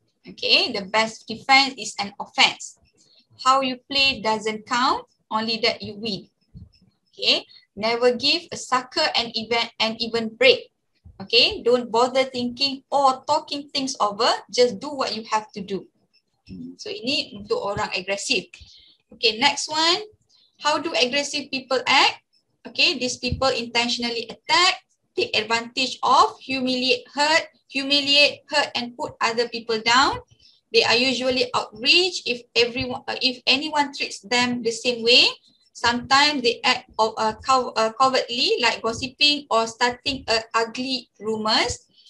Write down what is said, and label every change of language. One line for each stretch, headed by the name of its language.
English: Okay, the best defense is an offense. How you play doesn't count, only that you win. Okay, never give a sucker an even break. Okay, don't bother thinking or talking things over. Just do what you have to do.
Malay: So ini untuk orang agresif.
English: Okay, next one. How do aggressive people act? Okay, these people intentionally attack, take advantage of, humiliate, hurt and put other people down. They are usually outraged if anyone treats them the same way. Sometimes they act covertly like gossiping or starting ugly rumors.